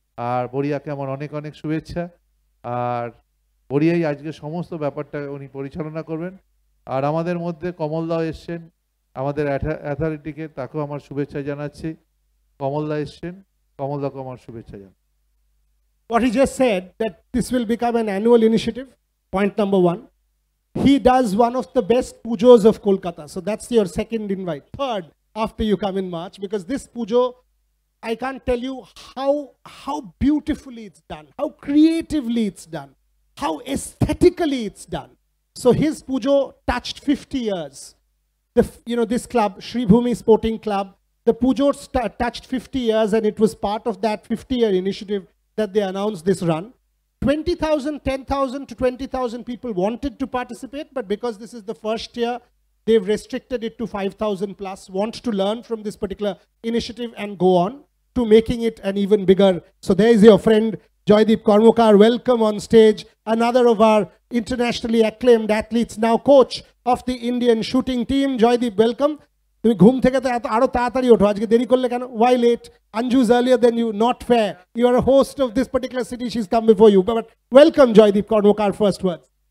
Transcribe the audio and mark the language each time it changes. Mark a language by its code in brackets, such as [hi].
[bn] আর বড়িয়াকে আমার অনেক অনেক শুভেচ্ছা আর বড়িয়াই আজকে সমস্ত ব্যাপারটা উনি পরিচালনা করবেন আর আমাদের মধ্যে কমলদাও এসেছেন আমাদের অ্যাথলেটিকে তাকেও আমার শুভেচ্ছা জানাচ্ছি কমলদা এসছেন কমলদাকে আমার শুভেচ্ছা জানাই [en] What he just said, that this will become an annual initiative, point number one. He does one of the best pujos of Kolkata. So that's your second invite. Third, after you come in March, because this pujo, I can't tell you how beautifully it's done, how creatively it's done, how aesthetically it's done. So his pujo touched 50 years. This club, Sreebhumi Sporting Club, the pujo touched 50 years and it was part of that 50-year initiative that they announced this run. 20,000, 10,000 to 20,000 people wanted to participate, but because this is the first year, they've restricted it to 5,000 plus, want to learn from this particular initiative and go on to making it an even bigger. So there is your friend, Joydeep Kormukar. Welcome on stage, another of our internationally acclaimed athletes, now coach of the Indian shooting team. Joydeep, welcome. [bn] তুমি ঘুম থেকে আরো তাড়াতাড়ি ওঠো আজকে দেরি করলে কেন [en] why late আঞ্জুজ earlier then you not fair you are host of this particular city she is come before you but welcome Joydeep Karmakar first words